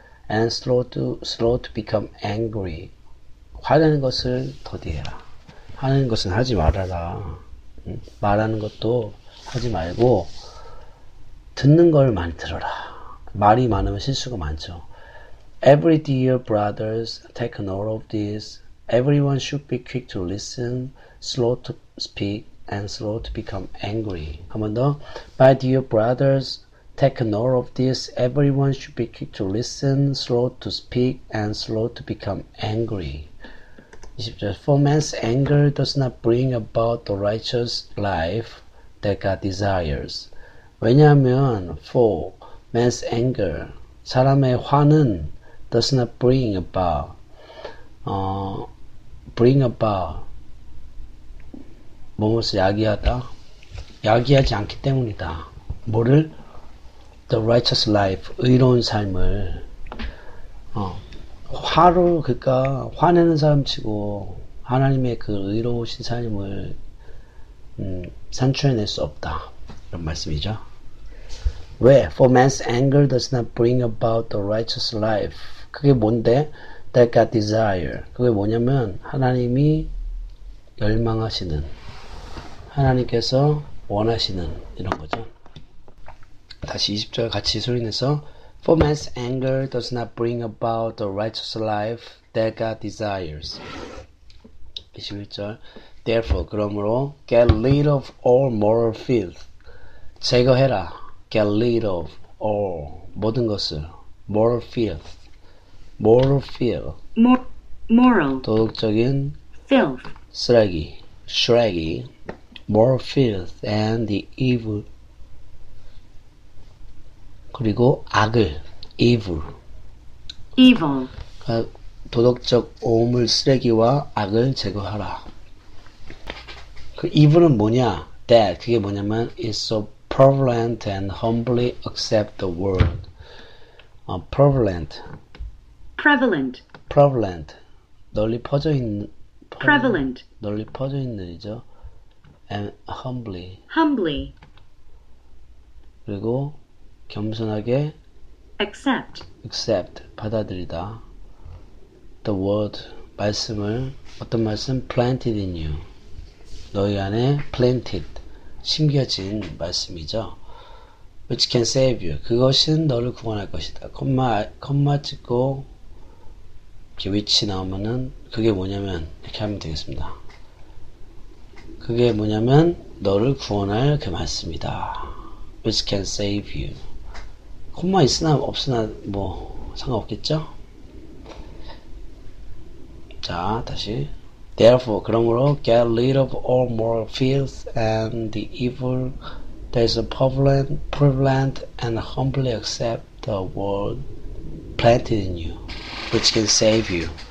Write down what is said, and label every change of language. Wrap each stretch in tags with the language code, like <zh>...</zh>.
<en>And slow to become angry.</en> <ko>화내는 것을 더디해라. 하는 것은 하지 말아라. 말하는 것도 하지 말고 듣는 걸 많이 들어라. 말이 많으면 실수가 많죠.</ko> <en>Every dear brothers, take note of this. Everyone should be quick to listen, slow to speak, and slow to become angry.</en> <ko>한번 더.</ko> <en>My dear brothers, take note of this. Everyone should be quick to listen, slow to speak, and slow to become angry.</en> <ko>20절.</ko> <en>For man's anger does not bring about the righteous life that God desires.</en> <ko>왜냐하면,</ko> <en>for man's anger,</en> <ko>사람의 화는</ko> <en>does not bring about, bring about,</en> <ko>무엇을 야기하다? 야기하지 않기 때문이다. 뭐를?</ko> <en>The righteous life,</en> <ko>의로운 삶을, 화로, 그러니까 화내는 사람 치고 하나님의 그 의로우신 삶을 산출해낼 수 없다, 이런 말씀이죠. 왜?</ko> <en>For man's anger does not bring about the righteous life.</en> <ko>그게 뭔데?</ko> <en>That God desire.</en> <ko>그게 뭐냐면 하나님이 열망하시는, 하나님께서 원하시는 이런 거죠. 다시 20절 같이 소리내서</ko> <en>For man's anger does not bring about the righteous life that God desires. 21절 Therefore,</en> <ko>그러므로</ko> <en>Get rid of all moral filth.</en> <ko>제거해라.</ko> <en>Get rid of all.</en> <ko>모든 것을.</ko> <en>Moral filth. Moral filth. Moral.</en> <ko>도덕적인</ko> <en>filth.</en> <ko>쓰레기.</ko> <en>Shraggy. Moral filth and the evil.</en> <ko>그리고 악을, evil.</ko> <en>Evil.</en> <ko>도덕적 오물 쓰레기와 악을 제거하라. 그 evil은 뭐냐?</ko> <en>that</en> <ko>그게 뭐냐면</ko> <en>is so prevalent and humbly accept the world. Prevalent. Prevalent.</en> <ko>Prevalent. 널리 퍼져 있는</ko> <en>prevalent.</en> <ko>널리 퍼져 있는이죠.</ko> <en>And humbly. Humbly.</en> <ko>그리고 겸손하게</ko> <en>accept. Accept.</en> <ko>받아들이다.</ko> <en>The word</en> <ko>말씀을 어떤 말씀</ko> <en>planted in you.</en> <ko>너희 안에</ko> <en>planted</en> <ko>심겨진 말씀이죠.</ko> <en>Which can save you.</en> <ko>그것은 너를 구원할 것이다. 콤마 찍고 이렇게 위치 나오면은 그게 뭐냐면 이렇게 하면 되겠습니다. 그게 뭐냐면 너를 구원할 그 말씀이다.</ko> <en>Which can save you.</en> <ko>콤마 있으나 없으나 뭐 상관없겠죠? 자, 다시.</ko> <en>Therefore,</en> <ko>그러므로</ko> <en>get rid of all moral filth and the evil that is prevalent and humbly accept the word planted in you, which can save you.</en>